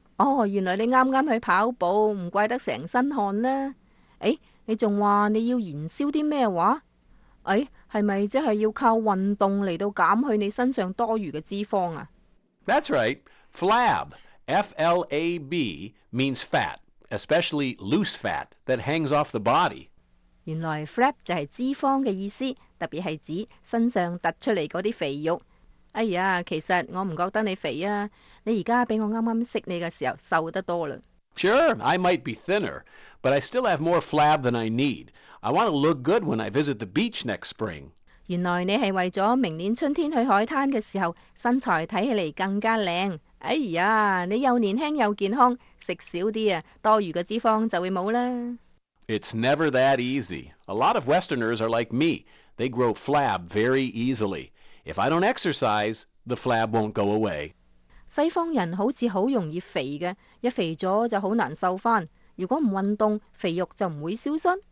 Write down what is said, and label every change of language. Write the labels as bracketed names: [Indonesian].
[Cantonese] 哦，原来你啱啱去跑步，唔怪得成身汗啦。诶，你仲话你要燃烧啲咩话？诶，系咪即系要靠运动嚟到减去你身上多余嘅脂肪啊 [English] ？That's right. Flab, F-L-A-B, means fat, especially loose fat that hangs off the body. [Cantonese] 原来 flab 就系脂肪嘅意思，特别系指身上突出嚟嗰啲肥肉。哎呀，其实我唔觉得你肥啊，你而家比我啱啱识你嘅时候瘦得多啦。 [English] Sure, I might be thinner, but I still have more flab than I need. I want to look good when I visit the beach next spring. [Cantonese] 原来你系为咗明年春天去海滩嘅时候，身材睇起嚟更加靓。哎呀，你又年轻又健康，食少啲啊，多余嘅脂肪就会冇啦。 [English] It's never that easy. A lot of Westerners are like me. They grow flab very easily. If I don't exercise, the flab won't go away. [Cantonese] 西方人好似好容易肥嘅，一肥咗就好难瘦翻。如果唔运动，肥肉就唔会消失。